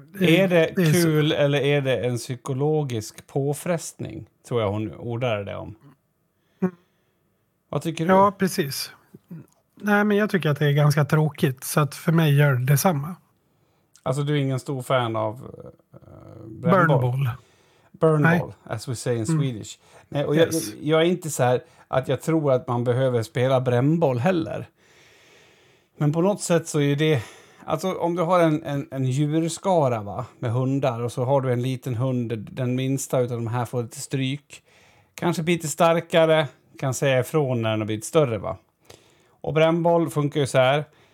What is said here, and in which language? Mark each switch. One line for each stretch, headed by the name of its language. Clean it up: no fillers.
Swedish: Är det kul eller är det en psykologisk påfrestning? Tror jag hon ordade det om. Vad tycker du? Ja, precis. Nej, men jag tycker att det är ganska tråkigt. Så att för mig gör det samma. Alltså, du är ingen stor fan av Burnball.
English: Burnball, as we say in Swedish.
Swedish: Nej, och jag är inte så här att jag tror att man behöver spela brännboll heller. Men på något sätt så är det... Alltså, om du har en djurskara, va, med hundar, och så har du en liten hund, den minsta utav de här får lite stryk. Kanske lite starkare, kan säga ifrån när den har blivit större, va. Och brännboll funkar ju så här,